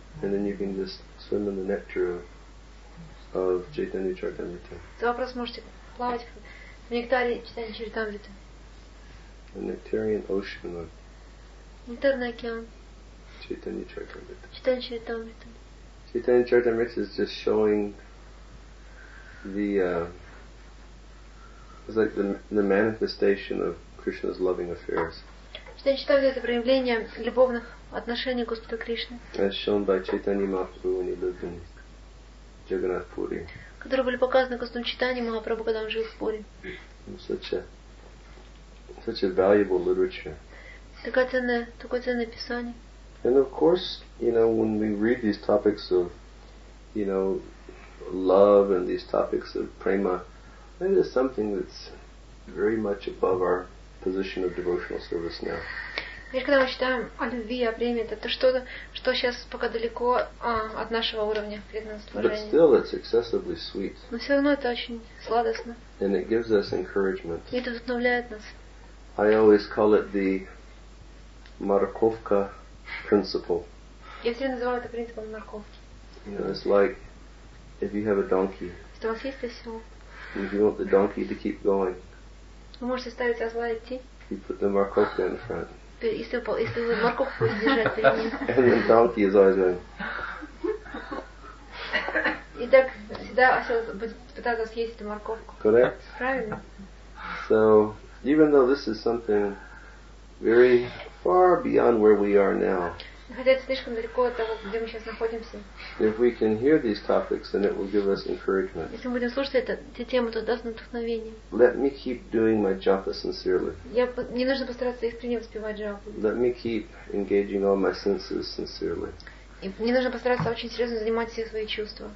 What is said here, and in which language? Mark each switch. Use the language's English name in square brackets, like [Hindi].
[English] And then you can just swim in the nectar of Chaitanya Charitamrita. [Russian] То вопрос можете плавать в нектаре Chaitanya Charitamrita. [English] A nectarian ocean of [Russian] Нектарный океан. [English] Chaitanya Charitamrita. Chaitanya Charitamrita. Chaitanya Charitamrita is just showing the it's like the manifestation of Krishna's loving affairs. [Russian] Chaitanya Charitamrita — это проявление любовных отношений Господа Кришны. [English] As shown by Chaitanya Mahaprabhu when he lived in Jagannath Puri. [Russian] Которые были показаны Господом Чайтанья Махапрабху, когда он жил в Пури. [English] Such a valuable literature. [Russian] Такое ценное писание. [English] And of course, you know, when we read these topics of, you know, love and these topics of prema, that is something that's very much above our position of devotional service now. [Russian] Когда мы читаем о любви, о преме, это что-то, что сейчас пока далеко от нашего уровня преданного служения. [English] But still, it's excessively sweet. [Russian] Но все равно это очень сладостно. [English] And it gives us encouragement. [Russian] И это вдохновляет нас. [English] I always call it the морковка principle. [Russian] Я всегда называю это принципом морковки. [English] You know, it's like if you have a donkey. [Russian] Что у вас есть осел? [English] If you want the donkey to keep going, [Russian] вы можете ставить осла идти. [English] You put the морковка in front. [Russian] Если вы морковку будете держать перед ним. [English] And the donkey is always going. [Russian] И так всегда осел будет пытаться съесть эту морковку. [English] Correct. [Russian] Правильно. [English] So, even though this is something very far beyond where we are now, [Russian] хотя это слишком далеко от того, где мы сейчас находимся. [English] If we can hear these topics, then it will give us encouragement. [Russian] Если мы будем слушать эти темы, то даст нам вдохновение. [English] Let me keep doing my japa sincerely. [Russian] Мне нужно постараться искренне воспевать джапу. [English] Let me keep engaging all my senses sincerely. [Russian] И мне нужно постараться очень серьезно занимать все свои чувства.